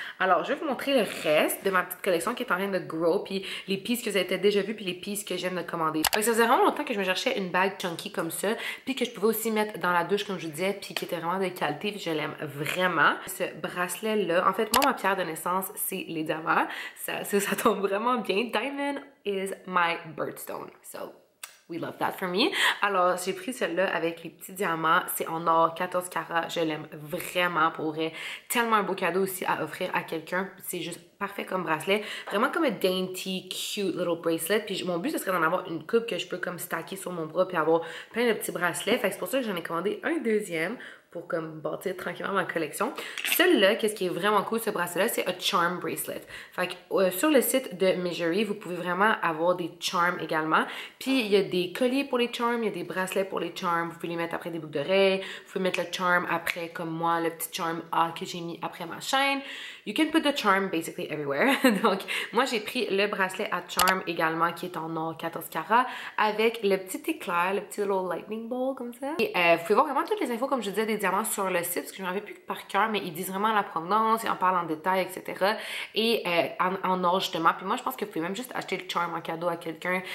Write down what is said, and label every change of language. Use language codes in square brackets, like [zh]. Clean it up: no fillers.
[fr] Alors, je vais vous montrer le reste de ma petite collection qui est en train de grow, puis les pieces que vous avez déjà vues, puis les pieces que j'aime de commander. Fait que ça faisait vraiment longtemps que je me cherchais une bague chunky comme ça, puis que je pouvais aussi mettre dans la douche, comme je vous disais, puis qui était vraiment de qualité, puis je l'aime vraiment. Ce bracelet-là, en fait, moi, ma pierre de naissance, c'est les diamants. Ça tombe vraiment bien. [en] Diamond is my birthstone. So, we love that for me. [fr] Alors, j'ai pris celle-là avec les petits diamants. C'est en or, 14 carats. Je l'aime vraiment pour vrai. Tellement un beau cadeau aussi à offrir à quelqu'un. C'est juste parfait comme bracelet. Vraiment comme un [en] dainty, cute little bracelet. [fr] Puis mon but, ce serait d'en avoir une coupe que je peux comme stacker sur mon bras puis avoir plein de petits bracelets. Fait que c'est pour ça que j'en ai commandé un deuxième pour comme bâtir tranquillement ma collection. Celle-là, qu'est-ce qui est vraiment cool, ce bracelet-là, c'est un charm bracelet. Fait que sur le site de Mejuri, vous pouvez vraiment avoir des charms également. Puis il y a des colliers pour les charms, il y a des bracelets pour les charms. Vous pouvez les mettre après des boucles d'oreilles. Vous pouvez mettre le charm après, comme moi, le petit charm A que j'ai mis après ma chaîne. [en] You can put the charm basically everywhere. [fr] Donc, moi, j'ai pris le bracelet à charm également, qui est en or 14 carats, avec le petit éclair, le petit [en] little lightning ball, [fr] comme ça. Et vous pouvez voir vraiment toutes les infos, comme je disais, des diamants sur le site, parce que je ne m'en avais plus par cœur, mais ils disent vraiment la provenance, ils en parlent en détail, etc. Et en or, justement. Puis moi, je pense que vous pouvez même juste acheter le charm en cadeau à quelqu'un.